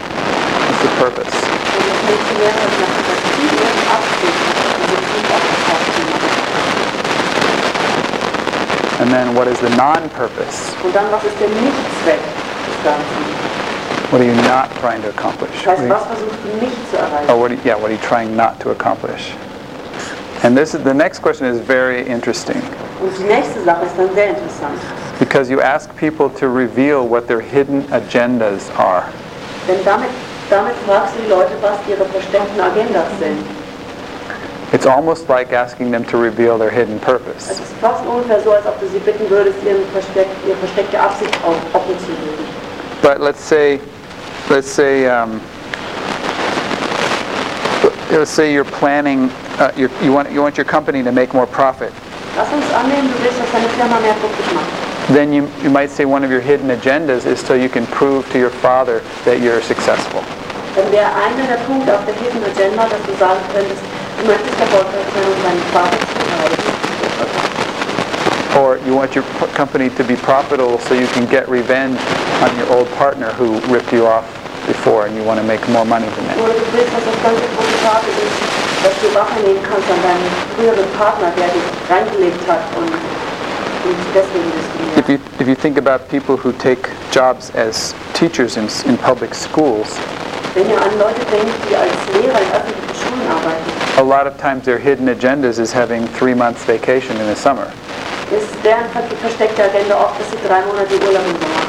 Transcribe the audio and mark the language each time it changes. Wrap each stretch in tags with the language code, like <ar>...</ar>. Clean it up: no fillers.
<en>What's the purpose? And then what is the non-purpose? What are you not trying to accomplish? What are you trying not to accomplish? And this is the next question is very interesting.</en> <de>Und die nächste Sache ist dann sehr interessant.</de> <en>Because you ask people to reveal what their hidden agendas are.</en> <de>Denn damit fragst du die Leute, was ihre versteckten Agendas sind.</de> <en>It's almost like asking them to reveal their hidden purpose.</en> <de>Es ist fast ungefähr so, als ob du sie bitten würdest, ihre versteckte Absicht offen zu legen.</de> <en>But let's say you're planning you want your company to make more profit.</en> <de>Lass uns annehmen, du willst, dass deine Firma mehr Profit macht.</de> <en>Then you might say one of your hidden agendas is so you can prove to your father that you're successful.</en> <de>Dann wäre einer der Punkte auf der hidden agenda, dass du sagen könntest, du möchtest erfolgreich sein, um deinen Vater zu erreichen.</de> <en>Or you want your company to be profitable so you can get revenge on your old partner who ripped you off before and you want to make more money than that.</en> <de>Dass du Wache nehmen kannst an deinem früheren Partner, der dich reingelegt hat und deswegen diskriminiert.</de> <en>If you think about people who take jobs as teachers in public schools,</en> <de>wenn ihr an Leute denkt, die als Lehrer in öffentlichen Schulen arbeiten,</de> <en>a lot of times their hidden agendas is having 3 months vacation in the summer.</en> <de>Ist deren versteckte Agenda oft, dass sie 3 Monate Urlaub in Sommer.</de>